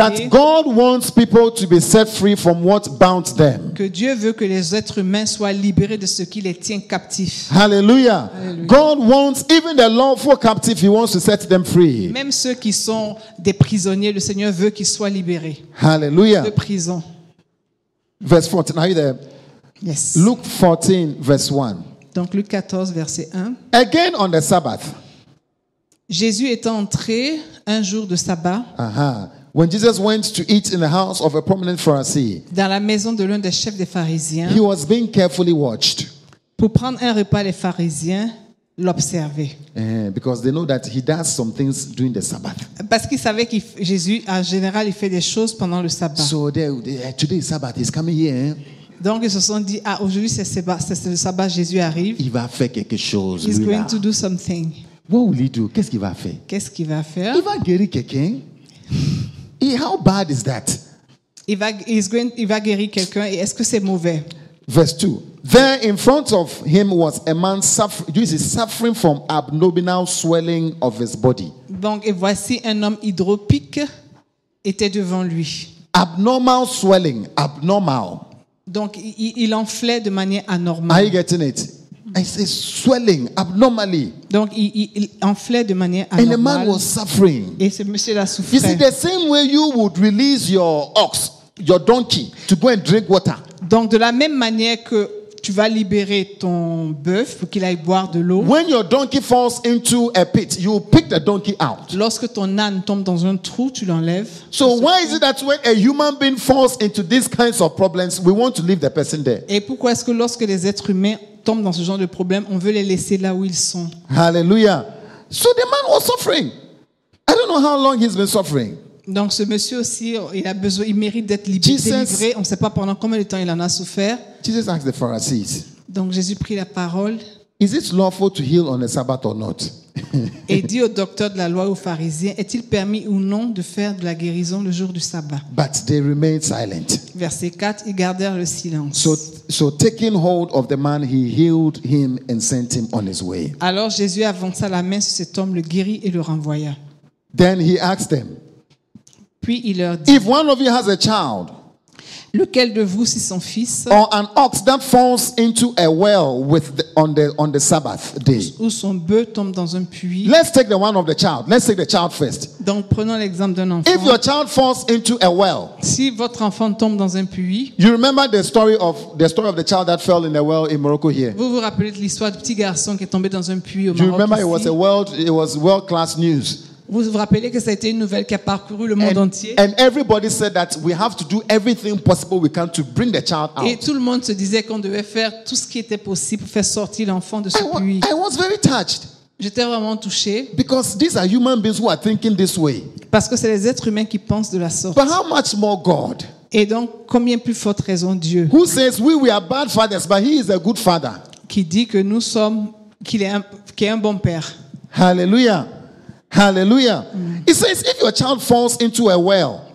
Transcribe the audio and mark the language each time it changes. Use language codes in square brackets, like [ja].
[en] that God wants people to be set free from what bound them. [fr] Que Dieu veut que les êtres humains soient libérés de ce qui les tient captifs. [en] Hallelujah. God wants even the lawful captive, he wants to set them free. [fr] Même ceux qui sont des prisonniers, le Seigneur veut qu'ils soient libérés. [en] Hallelujah. [fr] De prison. [en] Verse 14. Are you there? Yes. Luke 14 verse 1. [fr] Donc Luc 14 verset 1. [en] Again on the Sabbath. [fr] Jésus était entré un jour de sabbat. [en] When Jesus went to eat in the house of a prominent Pharisee. [fr] Dans la maison de l'un des chefs des pharisiens. [en] He was being carefully watched. [fr] Pour prendre un repas les pharisiens l'observaient. [en] Because they know that he does some things during the Sabbath. [fr] Parce qu'ils savaient que Jésus en général il fait des choses pendant le sabbat. [en] So today is Sabbath, he's coming here. [fr] Donc ils se sont dit, ah aujourd'hui c'est le sabbat, Jésus arrive. Il va faire quelque chose. [en] He's going to do something. What will he do? [fr] Qu'est-ce qu'il va faire? Qu'est-ce qu'il va faire? Il va guérir quelqu'un. [en] How bad is that? [fr] Il va guérir quelqu'un et est-ce que c'est mauvais? [en] Verse 2. There in front of him was a man suffering from abnormal swelling of his body. [fr] Donc, et voici un homme hydropique était devant lui. [en] Abnormal swelling, abnormal. [fr] Donc, il enflait de manière anormale. [en] Are you getting it? And it's swelling abnormally. [fr] Donc, il enflait de manière anormale. [en] And the man was suffering. [fr] Et ce monsieur l'a souffert. [en] You see, the same way you would release your ox, your donkey, to go and drink water. [fr] Donc, de la même manière que tu vas libérer ton bœuf pour qu'il aille boire de l'eau. [en] When your donkey falls into a pit, you pick the donkey out. [fr] Lorsque ton âne tombe dans un trou, tu l'enlèves. [en] So why is it that when a human being falls into these kinds of problems, we want to leave the person there? [fr] Et pourquoi est-ce que lorsque les êtres humains tombent dans ce genre de problème, on veut les laisser là où ils sont? [en] Hallelujah. So the man was suffering. I don't know how long he's been suffering. [fr] Donc ce monsieur aussi, il a besoin, il mérite d'être délivré. On ne sait pas pendant combien de temps il en a souffert. [en] Jesus asked the Pharisees. [fr] Donc Jésus prit la parole. [en] Is it lawful to heal on the Sabbath or not? [fr] Et dit au docteur de la loi aux pharisiens, est-il permis ou non de faire de la guérison le jour du sabbat? [en] But they remained silent. [fr] Verset 4, ils gardèrent le silence. [en] So taking hold of the man, he healed him and sent him on his way. [fr] Alors Jésus avança la main sur cet homme, le guérit et le renvoya. [en] Then he asked them. [fr] Puis il leur dit, [en] if one of you has a child, [fr] lequel de vous, si son fils, [en] or an ox that falls into a well with the, on the Sabbath day, [fr] ou son bœuf tombe dans un puits. [en] Let's take the one of the child. Let's take the child first. [fr] Donc prenons l'exemple d'un enfant. [en] If your child falls into a well, [fr] si votre enfant tombe dans un puits, [en] you remember the story of the child that fell in a well in Morocco here. [fr] Vous vous rappelez de l'histoire du petit garçon qui est tombé dans un puits au Maroc? [en] Do you remember it was a world, it was world class news. [fr] Vous vous rappelez que ça a été une nouvelle qui a parcouru le monde entier? [en] And everybody said that we have to do everything possible we can to bring the child out. [fr] Et tout le monde se disait qu'on devait faire tout ce qui était possible pour faire sortir l'enfant de ce puits. [en] I was very touched. [fr] J'étais vraiment touchée. [en] Because these are human beings who are thinking this way. [fr] Parce que c'est les êtres humains qui pensent de la sorte. [en] But how much more God? [fr] Et donc combien plus forte raison Dieu? [en] Who says we are bad fathers, but He is a good father? [fr] Qui dit que nous sommes qu'il est un bon père? [en] Hallelujah. Hallelujah. It says if your child falls into a well.